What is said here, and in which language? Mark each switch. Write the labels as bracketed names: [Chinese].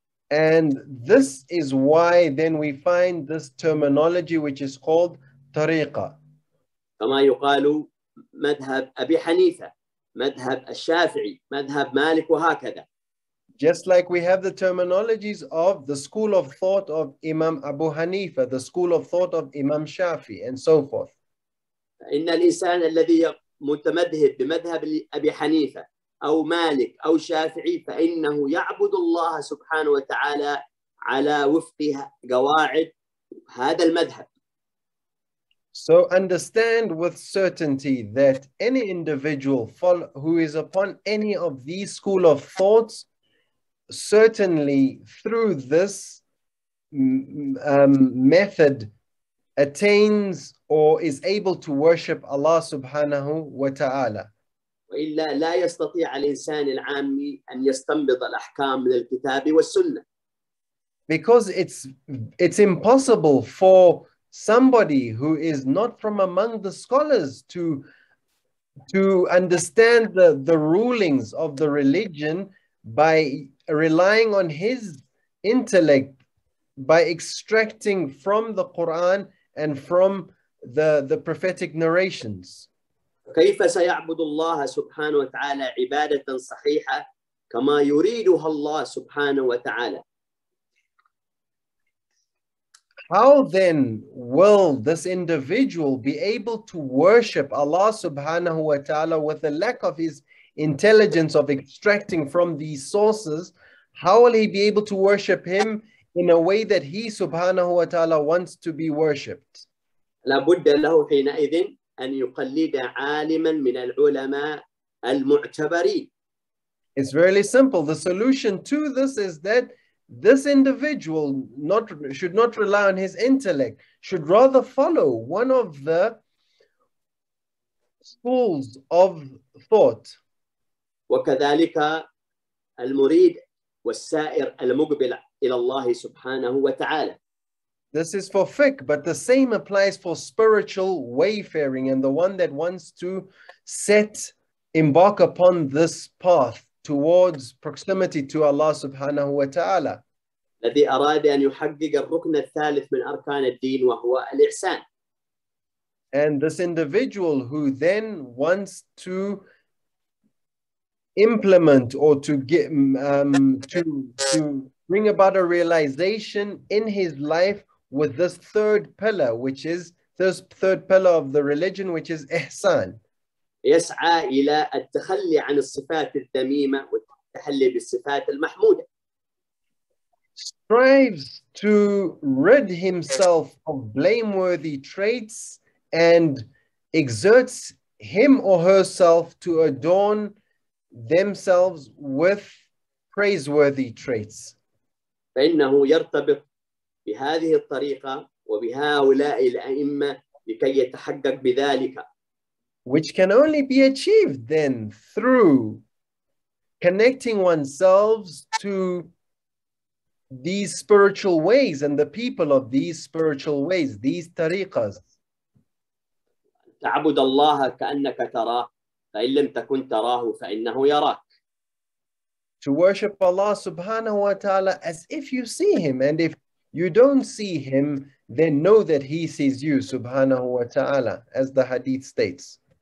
[English] And this is why then we find this terminology which is called طريقة. [Arabic] كما يقال مذهب أبي حنيفة، مذهب الشافعي، مذهب مالك وهكذا. [English] Just like we have the terminologies of the school of thought of Imam Abu Hanifa, the school of thought of Imam Shafi, and so forth. [Arabic] إن الإنسان الذي متمذهب بمذهب أبي حنيفة أو مالك أو شافعي فإنه يعبد الله سبحانه وتعالى على وفق قواعد هذا المذهب. [English] So understand with certainty that any individual who is upon any of these school of thoughts, certainly through this method, attains or is able to worship Allah subhanahu wa ta'ala. [Arabic] وإلا لا يستطيع الإنسان العامي أن يستنبط الأحكام من الكتاب والسنة. [English] Because it's impossible for somebody who is not from among the scholars to understand the rulings of the religion by relying on his intellect, by extracting from the Quran and from the prophetic narrations. [Arabic] كيف سيعبد الله سبحانه وتعالى عبادة صحيحة كما يريدها الله سبحانه وتعالى؟ [English] How then will this individual be able to worship Allah subhanahu wa ta'ala with the lack of his intelligence of extracting from these sources? How will he be able to worship him in a way that he subhanahu wa ta'ala wants to be worshipped? [Arabic] لابد له حينئذ أن يقلد عالما من العلماء المعتبرين. [English] It's really simple. The solution to this is that this individual should not rely on his intellect, should rather follow one of the schools of thought. [Arabic] وكذلك المريد والسائر المقبل إلى الله سبحانه وتعالى. [English] This is for fiqh, but the same applies for spiritual wayfaring and the one that wants to embark upon this path towards proximity to Allah subhanahu wa ta'ala. [Arabic] الذي أراد أن يحقق الركن الثالث من أركان الدين وهو الإحسان. [English] And this individual who then wants to implement or to get to bring about a realization in his life with this third pillar, which is this third pillar of the religion, which is إحسان. [Arabic] يسعى إلى التخلي عن الصفات الذميمة والتحلي بالصفات المحمودة. [English] Strives to rid himself of blameworthy traits and exerts him or herself to adorn themselves with praiseworthy traits. [Arabic] فإنه يرتبط بهذه الطريقة وبهؤلاء الأئمة لكي يتحقق بذلك. [English] Which can only be achieved then through connecting oneself to these spiritual ways and the people of these spiritual ways, these tariqas. [Arabic] تعبد الله كأنك تراه فإن لم تكن تراه فإنه يراك. [English] To worship Allah subhanahu wa ta'ala as if you see him, and if you don't see him, then know that he sees you subhanahu wa ta'ala, as the hadith states.